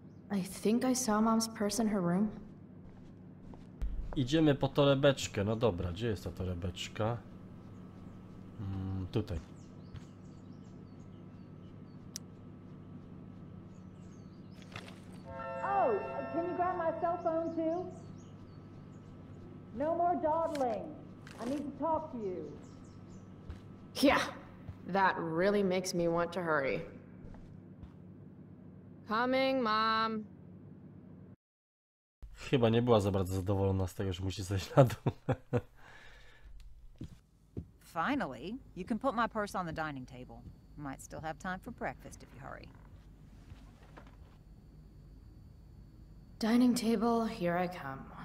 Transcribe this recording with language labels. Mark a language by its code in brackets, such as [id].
[en] I think I saw mom's purse in her room. [pl] Idziemy po torebeczkę. No dobra, gdzie jest ta torebeczka? Tutaj. [en] Oh, can you grab my cell phone too? No more dawdling. I need to talk to you. Yeah, that really makes me want to hurry. Coming, mom. [pl] Chyba nie była za bardzo zadowolona z tego, że musi zejść na dół. [en] Finally, you can put my purse on the dining table. Might still have time for breakfast if you hurry. Dining table, here I come.